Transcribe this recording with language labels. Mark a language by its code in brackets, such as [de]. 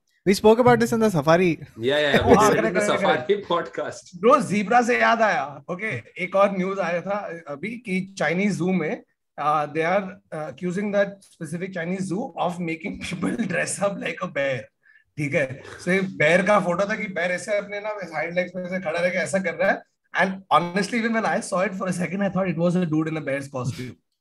[en] We spoke about this in the safari. Yeah, we said in the safari podcast. [hi] Bro, zebra se yaad aaya. [en] Okay, [hi] ek aur news aaya tha abhi ki Chinese zoo mein, [en] they are accusing that specific Chinese zoo of making people dress up like a bear. [hi] ठीक है, so bear का photo था कि bear ऐसे अपने ना hind legs पे ऐसे खड़ा रहके ऐसा कर रहा है. [en] And honestly, even when I saw it for a second, I thought it was a dude in a bear's costume.